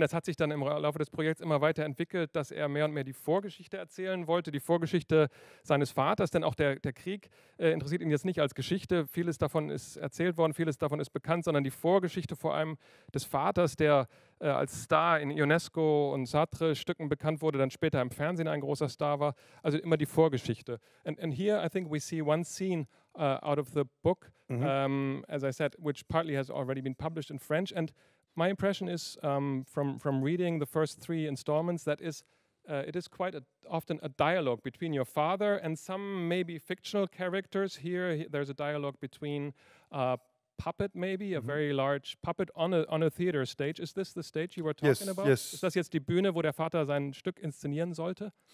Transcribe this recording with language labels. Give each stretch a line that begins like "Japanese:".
German: Das hat sich dann im Laufe des Projekts immer weiterentwickelt, dass er mehr und mehr die Vorgeschichte erzählen wollte, die Vorgeschichte seines Vaters, denn auch der Krieg interessiert ihn jetzt nicht als Geschichte. Vieles davon ist erzählt worden, vieles davon ist bekannt, sondern die Vorgeschichte vor allem des Vaters, der als Star in Ionesco und Sartre Stücken bekannt wurde, dann später im Fernsehen ein großer Star war. Also immer die Vorgeschichte.
English: And here I think we see one scene out of the book, as I said, which partly has already been published in French. And my impression is from reading the first three installments that is it is quite often a dialogue between your father and some maybe fictional characters. Here there's a dialogue between a puppet, maybe a very large puppet on a theater stage. Is this the stage you were talking about? Yes.
German: Ist das jetzt die Bühne, wo der Vater sein Stück inszenieren sollte?